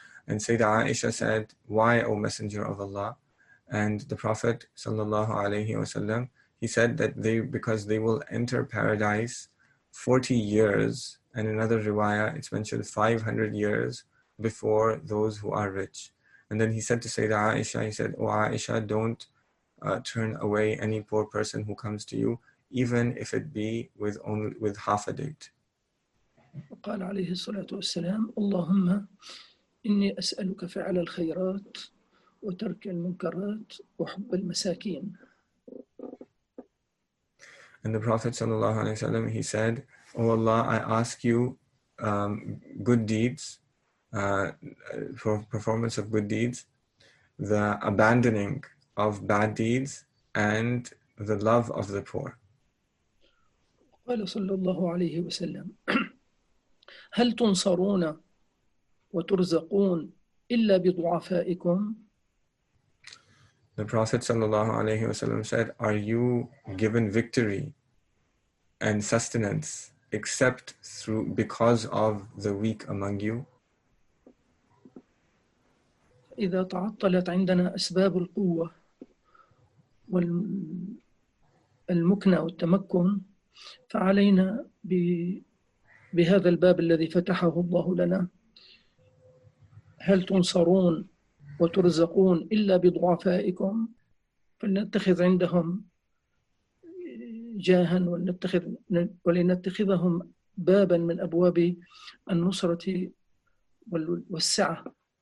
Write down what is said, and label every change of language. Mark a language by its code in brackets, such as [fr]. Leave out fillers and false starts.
[en] And Sayyidina Aisha said, "Why, O Messenger of Allah?" And the Prophet sallallahu alaihi wasallam, he said that because they will enter paradise 40 years. And another riwayah, it's mentioned 500 years before those who are rich. And then he said to Sayyidina Aisha, he said, "Oh Aisha, don't turn away any poor person who comes to you, even if it be with half a date." [ar] وقال عليه الصلاة والسلام: اللهم إني أسألك فعل الخيرات وترك المنكرات وحب المساكين. [en] And the Prophet sallallahu alaihi wasallam, he said, "Oh Allah, I ask you good deeds, for performance of good deeds, the abandoning of bad deeds, and the love of the poor." [ar] قال صلى الله عليه وسلم: هل تنصرون وترزقون إلا بضعفائكم؟ [en] The Prophet sallallahu alaihi wasallam said, "Are you given victory and sustenance except through because of the weak among you?" [ar] إذا تعطلت عندنا أسباب القوة والمكنة والتمكن، فعلينا بهذا الباب الذي فتحه الله لنا: هل تنصرون وترزقون إلا بضعفائكم؟ فلنتخذ عندهم جاها ولنتخذهم بابا من أبواب النصرة والسعة.